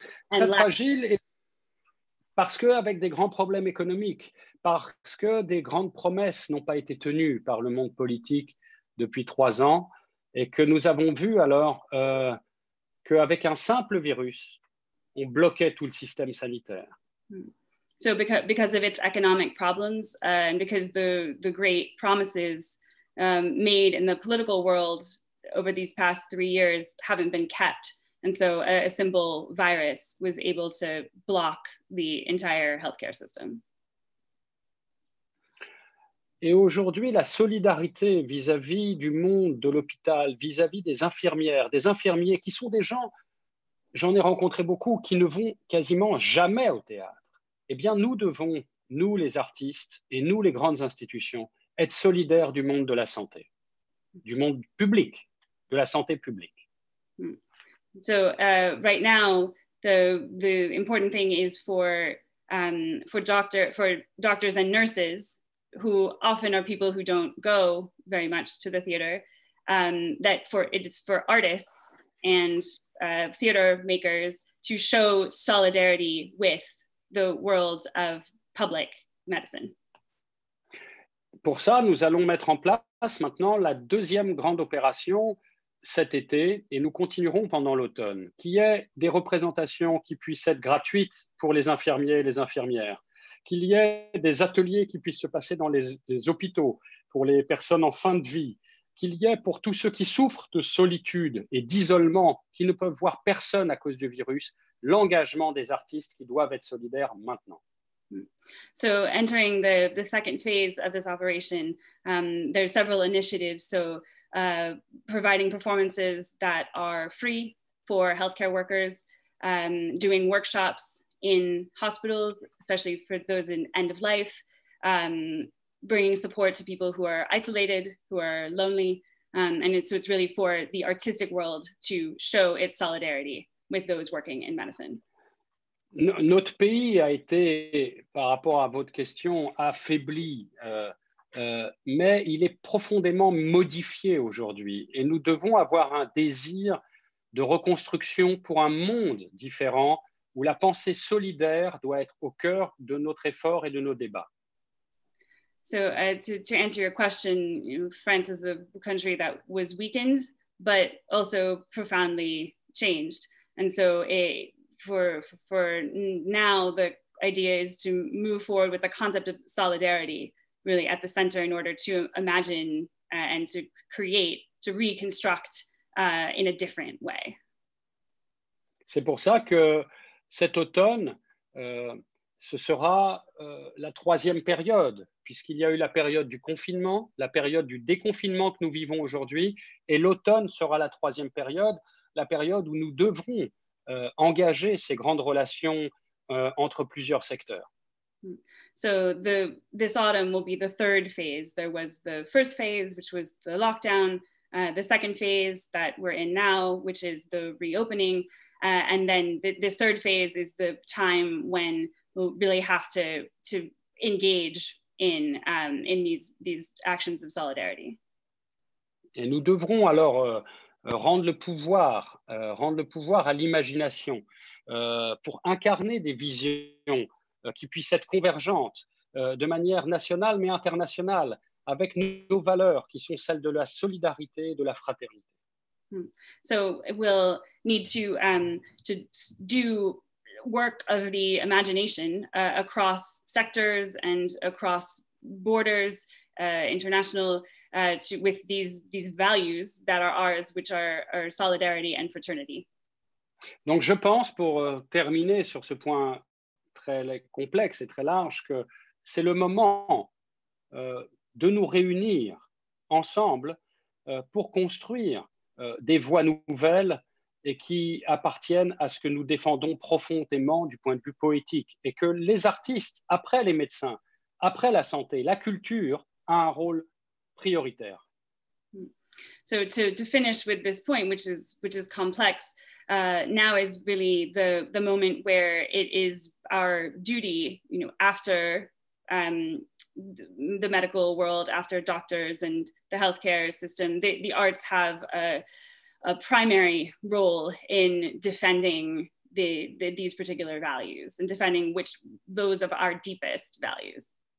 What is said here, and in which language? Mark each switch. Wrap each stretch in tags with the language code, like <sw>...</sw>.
<en>And</en> <fr>très fragile parce que avec des grands problèmes économiques, parce que des grandes promesses n'ont pas été tenues par le monde politique depuis 3 ans, et que nous avons vu alors qu'avec un simple virus, on bloquait tout le système sanitaire.</fr> <en>So because of its economic problems and because the great promises made in the political world over these past 3 years haven't been kept, and so a simple virus was able to block the entire healthcare system.</en> <fr>Et aujourd'hui, la solidarité vis-à-vis du monde de l'hôpital, vis-à-vis des infirmières, des infirmiers qui sont des gens, j'en ai rencontré beaucoup, qui ne vont quasiment jamais au théâtre. Eh bien, nous devons, nous les artistes et nous les grandes institutions, être solidaires du monde de la santé, du monde public, de la santé publique.</fr> <en>So, right now, the important thing is for doctors and nurses, who often are people who don't go very much to the theater, that for it is for artists and theater makers to show solidarity with the world of public medicine.</en> <fr>Pour ça, nous allons mettre en place maintenant la deuxième grande opération cet été, et nous continuerons pendant l'automne, qui est des représentations qui puissent être gratuites pour les infirmiers et les infirmières, qu'il y ait des ateliers qui puissent se passer dans les hôpitaux pour les personnes en fin de vie, qu'il y ait pour tous ceux qui souffrent de solitude et d'isolement, qui ne peuvent voir personne à cause du virus, l'engagement des artistes qui doivent être solidaires maintenant.</fr> <en>So entering the second phase of this operation, there are several initiatives. So providing performances that are free for healthcare workers, doing workshops in hospitals, especially for those in end of life, bringing support to people who are isolated, who are lonely, and it's really for the artistic world to show its solidarity with those working in medicine.</en> <fr>Notre pays a été, par rapport à votre question, affaibli, mais il est profondément modifié aujourd'hui, et nous devons avoir un désir de reconstruction pour un monde différent où la pensée solidaire doit être au cœur de notre effort et de nos débats.</fr> <en>So to answer your question, you know, France is a country that was weakened, but also profoundly changed. And so for now, the idea is to move forward with the concept of solidarity really at the center in order to imagine and to create, to reconstruct in a different way.</en> <fr>C'est pour ça que cet automne, ce sera la troisième période, puisqu'il y a eu la période du confinement, la période du déconfinement que nous vivons aujourd'hui, et l'automne sera la troisième période, la période où nous devrons engager ces grandes relations entre plusieurs secteurs.</fr> <en>So this autumn will be the third phase. There was the first phase, which was the lockdown, the second phase that we're in now, which is the reopening. And then this third phase is the time when we'll really have to engage in these actions of solidarity.</en> <fr>Et nous devrons alors rendre le pouvoir à l'imagination pour incarner des visions qui puissent être convergentes de manière nationale mais internationale, avec nos valeurs qui sont celles de la solidarité et de la fraternité.</fr> <en>So we'll need to do work of the imagination across sectors and across borders, international, with these values that are ours, which are solidarity and fraternity.</en> <fr>Donc je pense, pour terminer sur ce point très complexe et très large, que c'est le moment de nous réunir ensemble pour construire des voies nouvelles et qui appartiennent à ce que nous défendons profondément du point de vue poétique, et que les artistes, après les médecins, après la santé, la culture, a un rôle prioritaire.</fr> <en>So to finish with this point, which is complex, now is really the moment where it is our duty, you know, after the medical world, after doctors and the healthcare system, the arts have a primary role in defending these particular values and defending those of our deepest values.</en>